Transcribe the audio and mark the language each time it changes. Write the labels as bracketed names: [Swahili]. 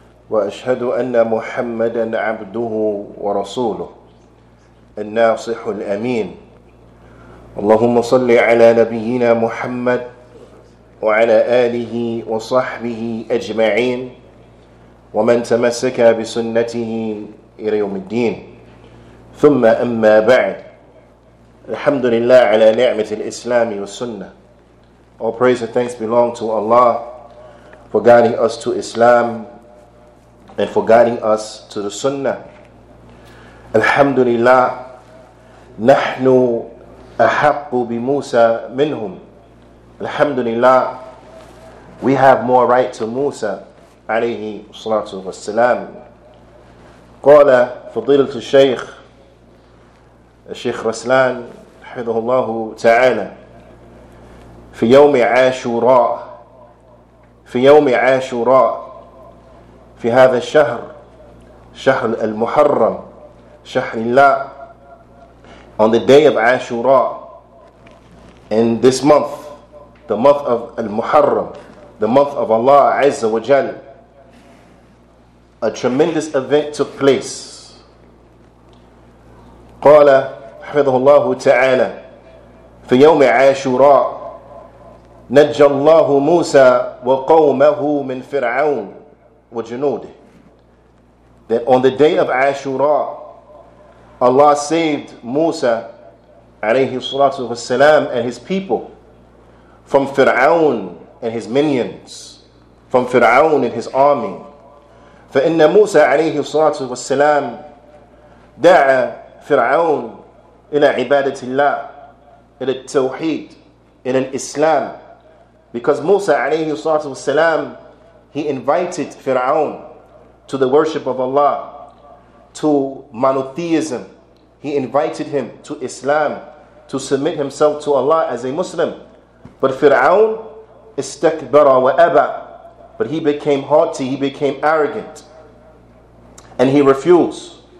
[Arabic] وأشهد أن محمدا عبده ورسوله الناصح الأمين اللهم صل على نبينا محمد وعلى آله وصحبه أجمعين ومن تمسك بسنته إلى يوم الدين ثم أما بعد الحمد لله على نعمة الإسلام والسنة. [English] All praise and thanks belong to Allah for guiding us to Islam and for guiding us to the Sunnah. [Arabic] Alhamdulillah, nahnu ahaqqu bi Musa minhum. [English] Alhamdulillah, we have more right to Musa alayhi salatu wassalam. [Arabic] Qala fadilatu shaykh, Shaykh Raslan, hafidhahullah ta'ala. في يوم عاشوراء في يوم عاشوراء في هذا الشهر شهر المحرم شهر الله. [English] On the day of Ashura, in this month, the month of al-Muharram, the month of Allah Azza wa Jal, a tremendous event took place. [Arabic] قال حفظه الله تعالى في يوم عاشوراء نجى الله موسى وقومه من فرعون وجنوده. [English] That on the day of Ashura, Allah saved Musa [Arabic] عليه الصلاة والسلام [English] and his people from Fir'aun and his minions, from Fir'aun and his army. [Arabic] فإن موسى عليه الصلاة والسلام دعا فرعون إلى عبادة الله إلى التوحيد إلى الإسلام. [English] Because Musa alayhi salatu wasalam, he invited Fir'aun to the worship of Allah, to monotheism. He invited him to Islam, to submit himself to Allah as a Muslim. But Fir'aun [Arabic] istakbara wa aba, [English] but he became haughty, he became arrogant, and he refused.